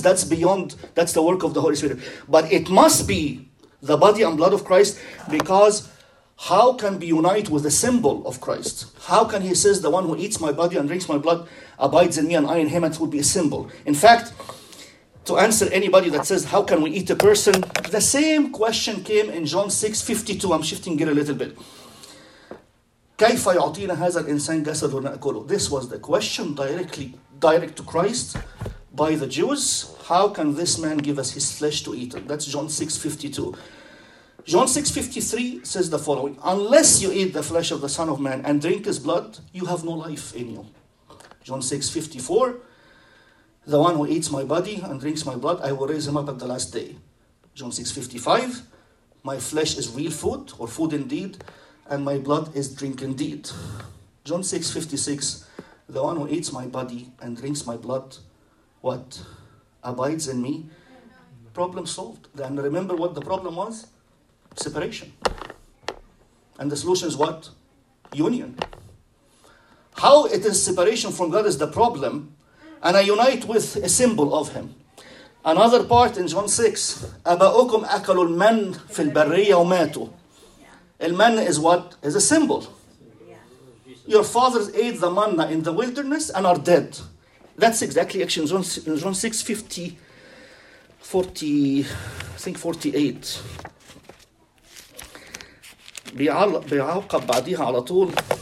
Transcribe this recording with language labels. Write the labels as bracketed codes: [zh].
[en] That's beyond, that's the work of the Holy Spirit. But it must be the body and blood of Christ, because how can be unite with the symbol of Christ? How can he says the one who eats my body and drinks my blood abides in me and I in him, and it would be a symbol? In fact, to answer anybody that says how can we eat a person, the same question came in John 6:52. I'm shifting gear a little bit. [ar] كيف يعطينا هذا الإنسان جسد ونأكله? [en] This was the question direct to Christ by the Jews. How can this man give us his flesh to eat? That's John 6:52. John 6:53 says the following: unless you eat the flesh of the Son of Man and drink his blood, you have no life in you. John 6:54, the one who eats my body and drinks my blood, I will raise him up at the last day. John 6:55, my flesh is real food or food indeed, and my blood is drink indeed. John 6:56, the one who eats my body and drinks my blood, what? Abides in me. Problem solved. Then remember what the problem was? Separation. And the solution is what? Union. How it is separation from God is the problem, and I unite with a symbol of him. Another part in John 6, [ar] أباؤكم أكلوا المن في البرية وماتوا. [en] المن is what? Is a symbol. Your fathers ate the manna in the wilderness and are dead. That's exactly actually in John 6, 50, 40, I think 48. [ar] بيعقب بعديها على طول.